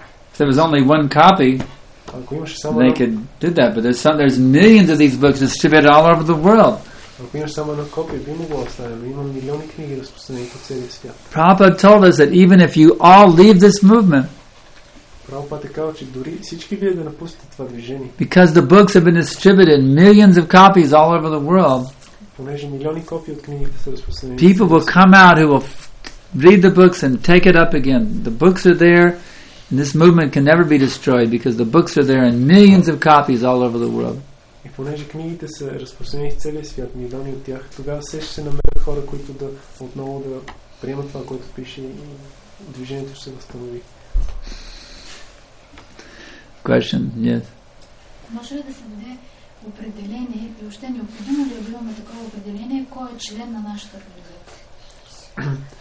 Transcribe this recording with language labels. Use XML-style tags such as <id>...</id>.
<en>If there was only one copy, they could do that. But there's millions of these books distributed all over the world.</en> <bg>Ако имаш само една копия, би могло да стане, но има милиони книги разпространени по целия свят.</bg> <en>Prabhupada told us that even if you all leave this movement,</en> <bg>Prabhupada казва, че дори всички вие да напустите това движение,</bg> <en>because the books have been distributed millions of copies all over the world, People will come out who will read the books and take it up again. The books are there, and this movement can never be destroyed because the books are there in millions of copies all over the world.</en> <bg>И понеже книгите са разпространени в целия свят, милиони от тях, тогава все ще се намерят хора, които да отново да приемат това, което пише и движението ще се възстанови.</bg> <en>Question? Yes.</en> <bg>Може ли да се даде определение и още необходимо ли да имаме такова определение, кой е член на нашата организация?</bg>